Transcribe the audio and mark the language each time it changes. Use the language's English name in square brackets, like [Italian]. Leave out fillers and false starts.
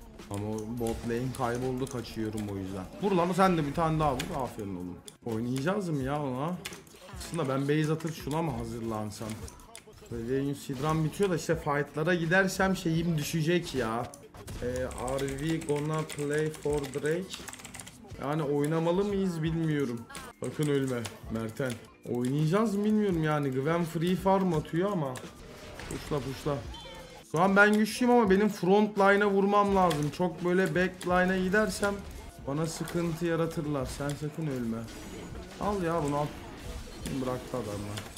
[Turkish] Ama bot lane kayboldu, kaçıyorum o yüzden. Vur lan sen de bir tane daha vur. Aferin oğlum. Oynayacağız mı ya ona? Aslında ben base atıp şuna mı hazırlansam? Venus Sidran bitiyor da işte fightlara gidersem şeyim düşecek ya. [English] Are we gonna play for Drake? [Turkish] Yani oynamalı mıyız bilmiyorum. Bakın ölme Merten. Oynayacağız mı bilmiyorum yani. Gwen free farm atıyor ama. Puşla. Şu an ben güçlüyüm ama benim front line'a vurmam lazım. Çok böyle back line'a gidersem bana sıkıntı yaratırlar. Sen sakın ölme. Al ya bunu al. Bıraktı adamı.